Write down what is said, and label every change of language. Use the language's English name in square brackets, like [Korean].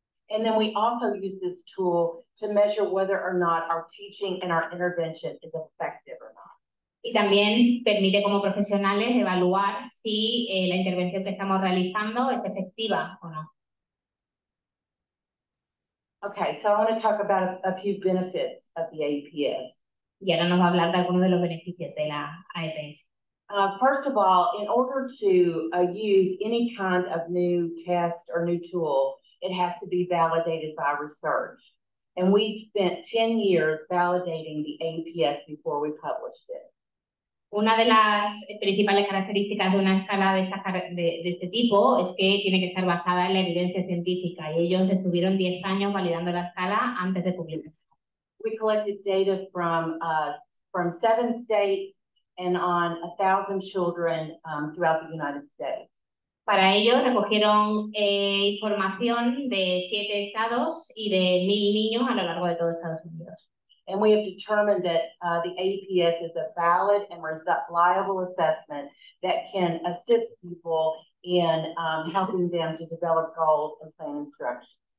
[English] And then we also use this tool to measure whether or not our teaching and our intervention is effective or not. [Spanish] Y también permite como profesionales evaluar si la intervención que estamos realizando es efectiva o no. [English] Okay, so I want to talk about a few benefits of the AEPS. [Spanish] Y ahora nos va a hablar de algunos de los beneficios de la AEPS. [English] First of all, in order to use any kind of new test or new tool, it has to be validated by research. And we spent 10 years validating the AEPS before we published it. [Spanish] Una de las principales características de una escala de este tipo es que tiene que estar basada en la evidencia científica, y ellos estuvieron 10 años validando la escala antes de publicarla. [English] We collected data from 7 states and on 1,000 children throughout the United States. [Spanish] Para ello recogieron información de 7 estados y de 1,000 niños a lo largo de todo Estados Unidos. [English] And we have determined that the AEPS is a valid and reliable assessment that can assist people in helping them to develop goals and plan instruction.